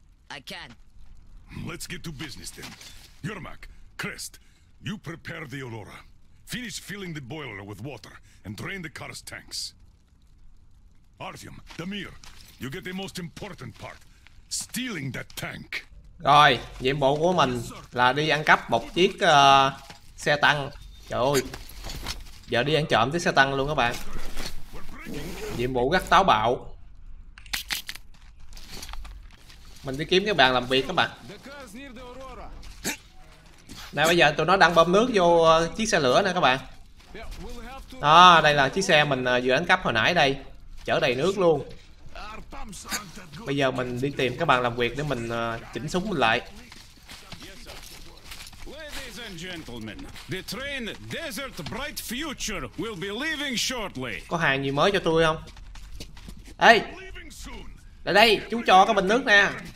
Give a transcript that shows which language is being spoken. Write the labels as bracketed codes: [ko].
[en] I can. Let's get to business then. Yermak, Crest, you prepare the Aurora. Finish filling the boiler with water and drain the car's tanks. Artyom, Damir, you get the most important part, stealing that tank. [vi] Rồi, nhiệm vụ của mình là đi ăn cắp một chiếc xe tăng. Trời ơi, giờ đi ăn trộm chiếc xe tăng luôn các bạn. Nhiệm vụ rất táo bạo. Mình đi kiếm cái bàn làm việc các bạn. Nè bây giờ tụi nó đang bơm nước vô chiếc xe lửa nè các bạn. Đó, đây là chiếc xe mình vừa ăn cắp hồi nãy đây. Chở đầy nước luôn. Bây giờ mình đi tìm các bạn làm việc để mình chỉnh súng mình lại. [en] Ladies and gentlemen, the train Desert Bright Future will be leaving shortly. [vi] Có hàng gì mới cho tôi không? Ê! Lại đây, chú cho cái bình nước nè.